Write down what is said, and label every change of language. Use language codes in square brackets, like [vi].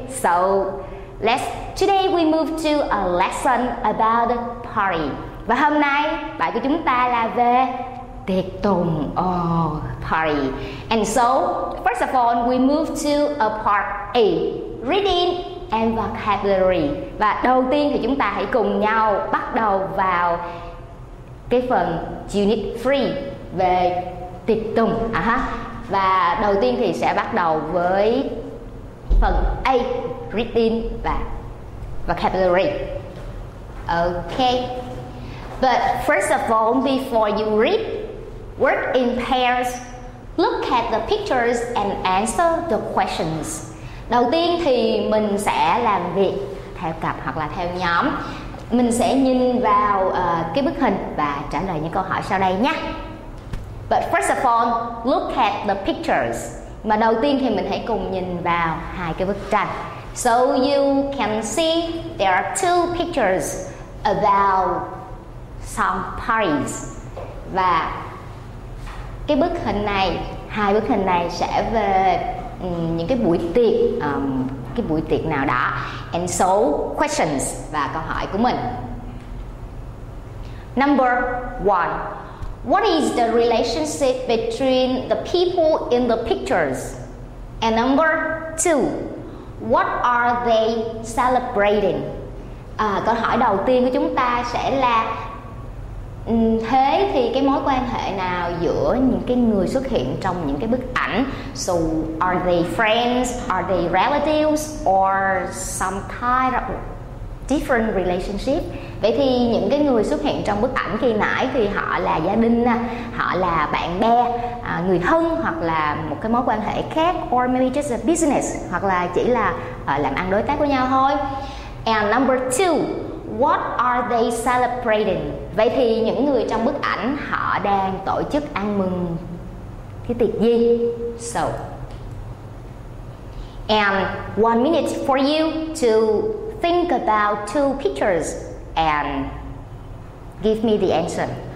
[en] So, today we move to a lesson about the party. [vi] Và hôm nay bài của chúng ta là về tiệc tùng. [en] Party. And so, first of all, we move to a part A, reading and vocabulary. [vi] Và đầu tiên thì chúng ta hãy cùng nhau bắt đầu vào cái phần unit 3 về tiệc tùng. Và đầu tiên thì sẽ bắt đầu với phần A, reading và vocabulary. [en] Okay. But first of all, before you read, work in pairs. Look at the pictures and answer the questions. [vi] Đầu tiên thì mình sẽ làm việc theo cặp hoặc là theo nhóm. Mình sẽ nhìn vào cái bức hình và trả lời những câu hỏi sau đây nhé. [en] But first of all, look at the pictures. [vi] Mà đầu tiên thì mình hãy cùng nhìn vào hai cái bức tranh. [en] So you can see there are two pictures about some parties. [vi] Và cái bức hình này, hai bức hình này sẽ về những cái buổi tiệc, cái buổi tiệc nào đó. [en] And so questions, [vi] và câu hỏi của mình. [en] Number one, what is the relationship between the people in the pictures? And number two, what are they celebrating? [vi] Câu hỏi đầu tiên của chúng ta sẽ là thế thì cái mối quan hệ nào giữa những cái người xuất hiện trong những cái bức ảnh? [en] So are they friends, are they relatives, or some kind of different relationship? [vi] Vậy thì những cái người xuất hiện trong bức ảnh khi nãy thì họ là gia đình, họ là bạn bè, người thân, hoặc là một cái mối quan hệ khác, [en] or maybe just a business, [vi] hoặc là chỉ là làm ăn đối tác với nhau thôi. [en] And number two, what are they celebrating? [vi] Vậy thì những người trong bức ảnh họ đang tổ chức ăn mừng cái tiệc gì? [en] So, and 1 minute for you to think about two pictures and give me the answer.